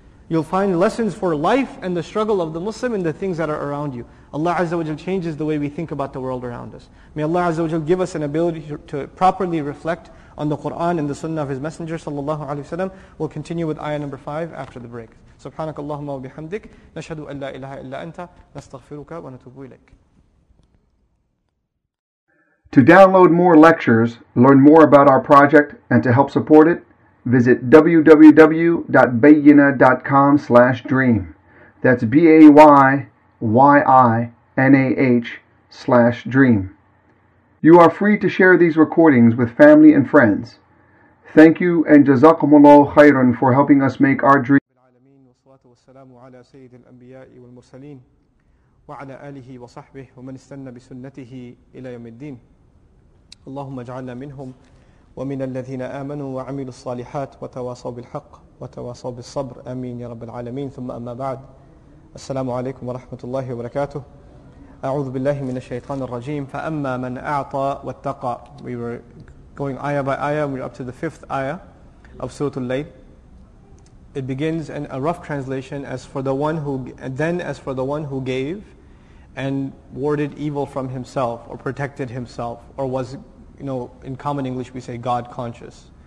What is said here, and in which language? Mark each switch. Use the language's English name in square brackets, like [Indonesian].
[English] You'll find lessons for life and the struggle of the Muslim in the things that are around you. Allah Azza wa Jal changes the way we think about the world around us. May Allah Azza wa Jal give us an ability to properly reflect on the Qur'an and the Sunnah of His Messenger sallallahu alayhi wa sallam. We'll continue with ayah number 5 after the break. [Arabic] سبحانك اللهم وبحمدك نشهد أن لا إله إلا أنت نستغفرك ونتوب إليك. [English] To download more lectures, learn more about our project, and to help support it, visit www.bayyinah.com/dream. That's BAYYINAH/dream. You are free to share these recordings with family and friends. Thank you and Jazakumullah khairan for helping us make our dream. [Arabic] السلام على سيد الأنبياء والمرسلين وعلى آله وصحبه ومن استنى بسنته إلى يوم الدين اللهم اجعلنا منهم ومن الذين آمنوا وعملوا الصالحات وتواصوا بالحق وتواصوا بالصبر آمين يا رب العالمين ثم أما بعد السلام عليكم ورحمة الله وبركاته أعوذ بالله من الشيطان الرجيم فأما من أعطى واتقى. [English] We were going ayah by ayah. We're up to the 5th ayah of Surah Al-Layl. It begins in a rough translation, as for the one who gave and warded evil from himself or protected himself or was, you know, in common English we say God conscious.